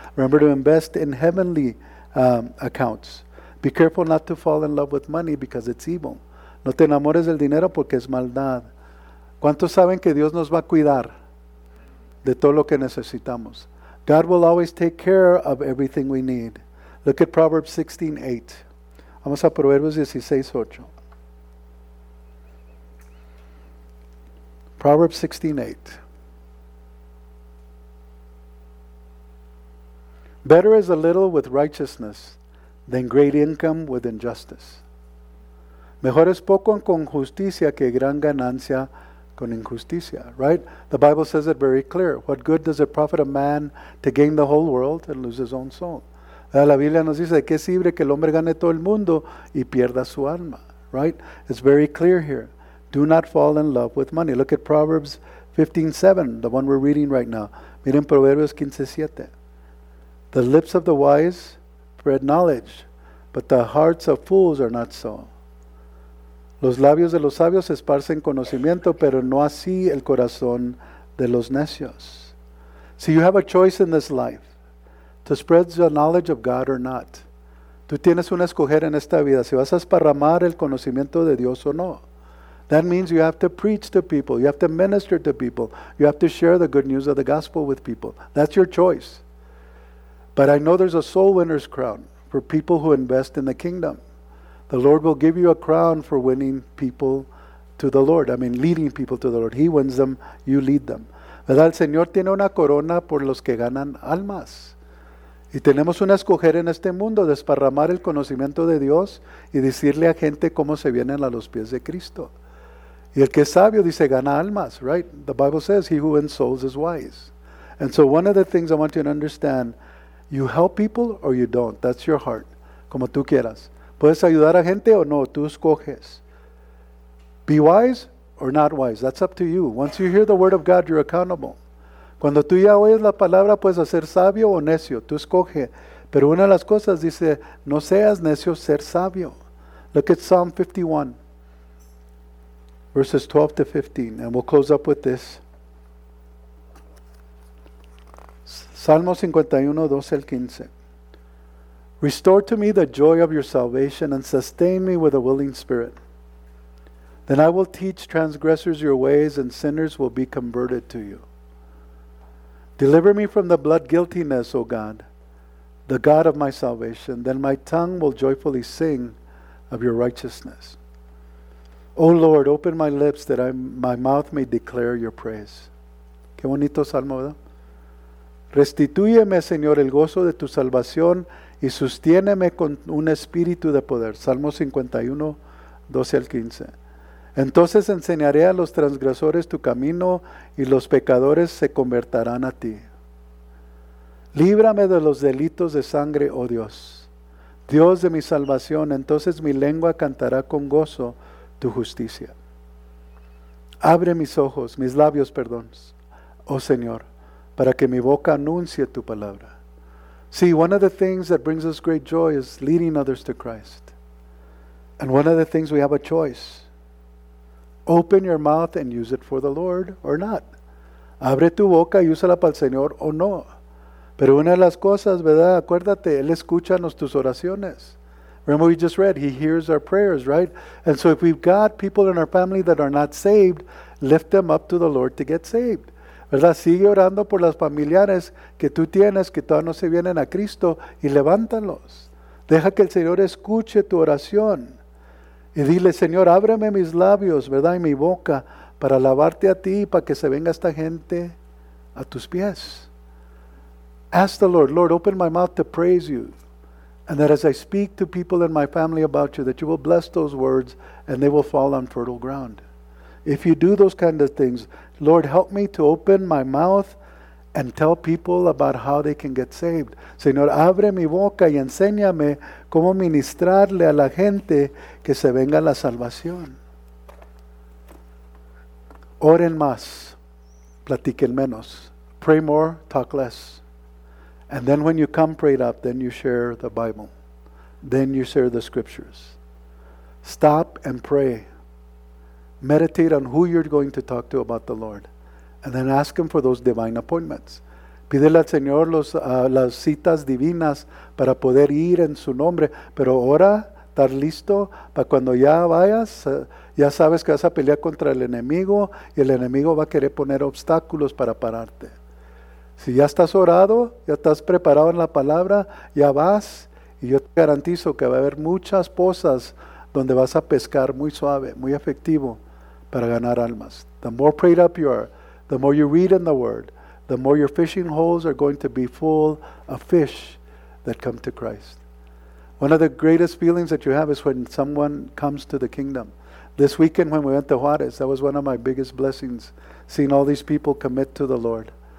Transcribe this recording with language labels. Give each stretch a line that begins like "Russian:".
English: Remember to invest in heavenly accounts. Be careful not to fall in love with money because it's evil.
Spanish: No te enamores del dinero porque es maldad. ¿Cuántos saben que Dios nos va a cuidar de todo lo que necesitamos?
English: God will always take care of everything we need. Look at Proverbs 16:8.
Spanish: Vamos a Proverbios 16:8.
English: Proverbs 16:8. Better is a little with righteousness than great income with injustice.
Spanish: Mejor es poco con justicia que gran ganancia con injusticia, right?
English: The Bible says it very clear. What good does it profit a man to gain the whole world and lose his own soul?
Spanish: La Biblia nos dice, ¿de qué sirve que el hombre gane todo el mundo y pierda su alma?
English: Right? It's very clear here. Do not fall in love with money. Look at Proverbs 15:7, the one we're reading right now.
Spanish: Miren Proverbios 15:7.
English: The lips of the wise spread knowledge, but the hearts of fools are not so.
Spanish: Los labios de los sabios esparcen conocimiento, pero no así el corazón de los necios.
English: So you have a choice in this life, to spread the knowledge of God or not.
Spanish: Tú tienes una escoger en esta vida, si vas a esparramar el conocimiento de Dios o no.
English: That means you have to preach to people, you have to minister to people, you have to share the good news of the gospel with people. That's your choice. But I know there's a soul winner's crown for people who invest in the kingdom. The Lord will give you a crown for winning people to the Lord. I mean, leading people to the Lord. He wins them, you lead them.
Spanish: ¿Verdad? El Señor tiene una corona por los que ganan almas. Y tenemos una escoger en este mundo, desparramar el conocimiento de Dios y decirle a gente cómo se vienen a los pies de Cristo. Y el que es sabio dice, gana almas, right?
English: The Bible says, he who wins souls is wise. And so one of the things I want you to understand, you help people or you don't. That's your heart.
Spanish: Como tú quieras. Puedes ayudar a gente o no. Tú escoges.
English: Be wise or not wise. That's up to you. Once you hear the word of God, you're accountable.
Spanish: Cuando tú ya oyes la palabra, puedes hacer sabio o necio. Tú escoge. Pero una de las cosas dice, no seas necio, ser sabio.
English: Look at Psalm 51, verses 12 to 15. And we'll close up with this.
Spanish: Salmo 51, 12 al 15.
English: Restore to me the joy of your salvation and sustain me with a willing spirit. Then I will teach transgressors your ways and sinners will be converted to you. Deliver me from the blood guiltiness, O God, the God of my salvation. Then my tongue will joyfully sing of your righteousness. O Lord, open my lips that my mouth may declare your praise.
Spanish: Qué bonito salmo, ¿verdad? Restitúyeme, Señor, el gozo de tu salvación y sosténeme con un espíritu de poder. Salmo 51, 12 al 15. Entonces enseñaré a los transgresores tu camino y los pecadores se convertirán a ti. Líbrame de los delitos de sangre, oh Dios. Dios de mi salvación, entonces mi lengua cantará con gozo tu justicia. Abre mis ojos, mis labios, perdón, oh Señor, para que mi boca anuncie tu palabra.
English: See, one of the things that brings us great joy is leading others to Christ. And one of the things we have a choice. Open your mouth and use it for the Lord or not.
Spanish: Abre tu boca y úsala para el Señor o no. Pero una de las cosas, ¿verdad? Acuérdate, Él escucha tus oraciones.
English: Remember we just read, He hears our prayers, right? And so if we've got people in our family that are not saved, lift them up to the Lord to get saved.
Spanish: ¿Verdad? Sigue orando por las familiares que tú tienes que todavía no se vienen a Cristo y levántalos. Deja que el Señor escuche tu oración y dile, Señor, ábreme mis labios, ¿verdad? Y mi boca para alabarte a ti y para que se venga esta gente a tus pies.
English: Ask the Lord, Lord, open my mouth to praise you and that as I speak to people in my family about you, that you will bless those words and they will fall on fertile ground. If you do those kind of things, Lord, help me to open my mouth and tell people about how they can get saved.
Spanish: Señor, abre mi boca y enséñame cómo ministrarle a la gente que se venga la salvación. Oren más, platiquen menos.
English: Pray more, talk less. And then when you come prayed up, then you share the Bible. Then you share the scriptures. Stop and pray. Meditate on who you're going to talk to about the Lord. And then ask Him for those divine appointments.
Spanish: Pídele al Señor las citas divinas para poder ir en su nombre. Pero ahora, estar listo para cuando ya vayas, ya sabes que vas a pelear contra el enemigo y el enemigo va a querer poner obstáculos para pararte. Si ya estás orado, ya estás preparado en la palabra, ya vas. Y yo te garantizo que va a haber muchas pozas donde vas a pescar muy suave, muy efectivo para ganar almas.
English: The more prayed up you are, the more you read in the Word, the more your fishing holes are going to be full of fish that come to Christ. One of the greatest feelings that you have is when someone comes to the kingdom. This weekend when we went to Juarez, that was one of my biggest blessings, seeing all these people commit to the Lord.